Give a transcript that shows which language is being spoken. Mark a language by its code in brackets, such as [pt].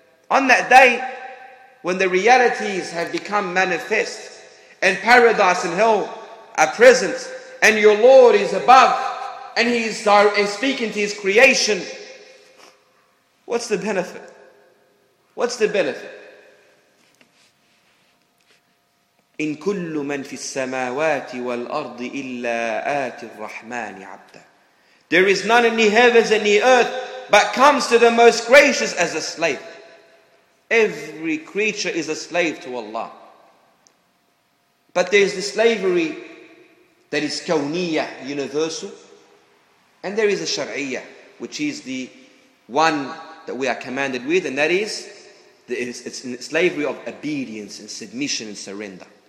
[en] On that day, when the realities have become manifest, and paradise and hell are present, and your Lord is above, and he is speaking to his creation, what's the benefit? What's the benefit? [ar] إن كل من في السماوات والأرض إلا آت الرحمن عبدا. [en] There is none in the heavens and the earth but comes to the most gracious as a slave. Every creature is a slave to Allah. But there is the slavery that is kawniyah, universal, and there is a shar'iyya, which is the one that we are commanded with, and that is it's slavery of obedience and submission and surrender.